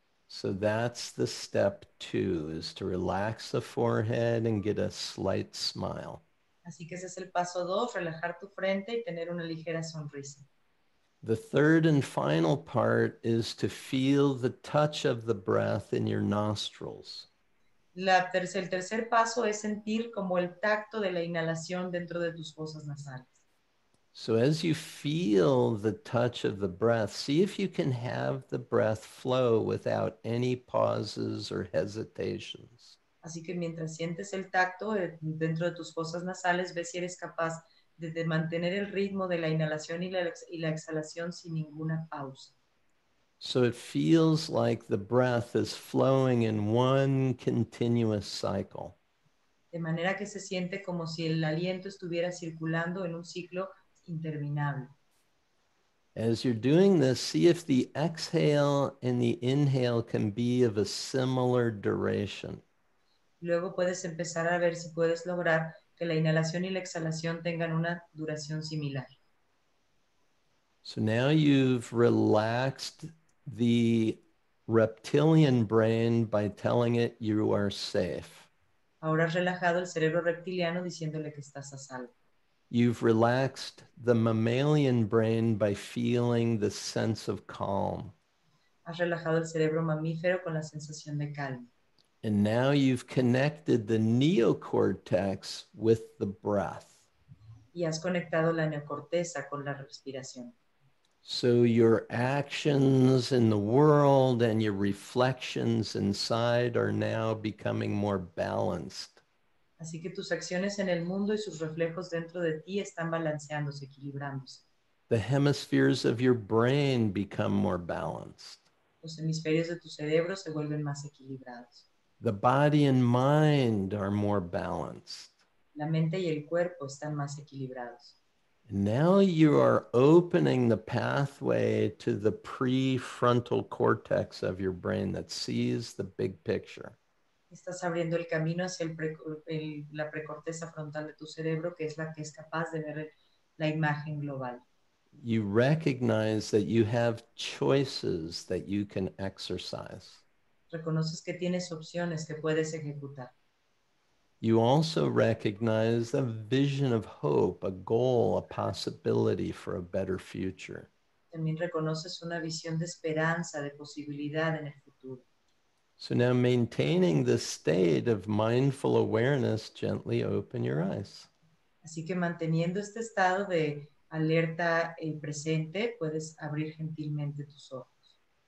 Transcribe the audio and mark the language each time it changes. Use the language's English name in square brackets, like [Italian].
[English] So that's the step two, is to relax the forehead and get a slight smile. [Spanish] Así que ese es el paso dos, relajar tu frente y tener una ligera sonrisa. [English] The third and final part is to feel the touch of the breath in your nostrils. [Spanish] El tercer paso es sentir como el tacto de la inhalación dentro de tus fosas nasales. [English] So as you feel the touch of the breath, see if you can have the breath flow without any pauses or hesitations. [Spanish] Así que mientras sientes el tacto dentro de tus fosas nasales, ve si eres capaz de mantener el ritmo de la inhalación y la exhalación sin ninguna pausa. [English] So it feels like the breath is flowing in one continuous cycle. [Spanish] De manera que se siente como si el aliento estuviera circulando en un ciclo interminable. [English] As you're doing this, see if the exhale and the inhale can be of a similar duration. [Spanish] Luego puedes empezar a ver si puedes lograr que la inhalación y la exhalación tengan una duración similar. [English] So now you've relaxed the reptilian brain by telling it you are safe. [Spanish] Ahora has relajado el cerebro reptiliano diciéndole que estás a salvo. [English] You've relaxed the mammalian brain by feeling the sense of calm. [Spanish] Has relajado el cerebro mamífero con la sensación de calma. [English] And now you've connected the neocortex with the breath. [Spanish] Y has conectado la neocorteza con la respiración. [English] So your actions in the world and your reflections inside are now becoming more balanced. [Spanish] Así que tus acciones en el mundo y sus reflejos dentro de ti están balanceándose, equilibrándose. [English] The hemispheres of your brain become more balanced. [Spanish] Los hemisferios de tu cerebro se vuelven más equilibrados. [English] The body and mind are more balanced. [Spanish] La mente y el cuerpo están más equilibrados. [English] Now you are opening the pathway to the prefrontal cortex of your brain that sees the big picture. [Spanish] Estás abriendo el camino hacia la precorteza frontal de tu cerebro, que es la que es capaz de ver la imagen global. [English] You recognize that you have choices that you can exercise. [Spanish] Reconoces que tienes opciones que puedes ejecutar. [English] You also recognize a vision of hope, a goal, a possibility for a better future. [Spanish] También reconoces una visión de esperanza, de posibilidad en el futuro. [English] So now maintaining this state of mindful awareness, gently open your eyes. [Spanish] Así que manteniendo este estado de alerta en presente, puedes abrir gentilmente tus ojos.